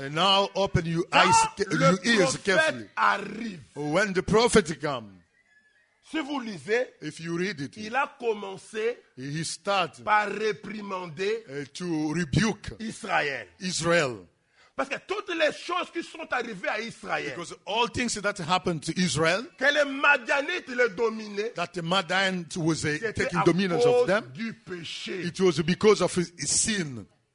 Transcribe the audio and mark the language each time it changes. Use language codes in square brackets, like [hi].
[en] And now open your eyes, your ears carefully. [fr] Quand le prophète arrive, [en] when the prophet comes. [fr] Si vous lisez, [en] if you read it, [fr] il a commencé [en] he start [fr] par réprimander [en] to rebuke [fr] Israël. [en] Israel. [fr] Parce que toutes les choses qui sont arrivées à Israël, [en] because all things that happened to Israel, [fr] que les Madianites le dominaient, [en] that the Madianites was taking dominance of them, [fr] du péché. [en] It was because of his sin.